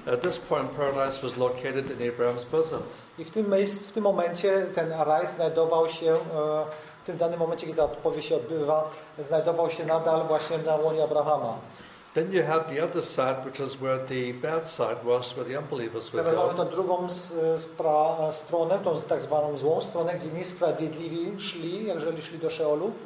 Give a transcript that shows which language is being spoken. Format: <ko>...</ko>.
<en>At this point, paradise was located in Abraham's bosom.</en> <pl>I w tym momencie ten raj znajdował się tym danym momencie, kiedy ta odpowiedź się odbywa, znajdował się nadal właśnie na łonie Abrahama.</pl> <en>Then you have the other side, which is where the bad side was, where the unbelievers were.</en> <pl>Teraz mamy tą drugą stronę, tą tak zwaną złą stronę, gdzie niesprawiedliwi szli, jeżeli szli do Szeolu.</pl>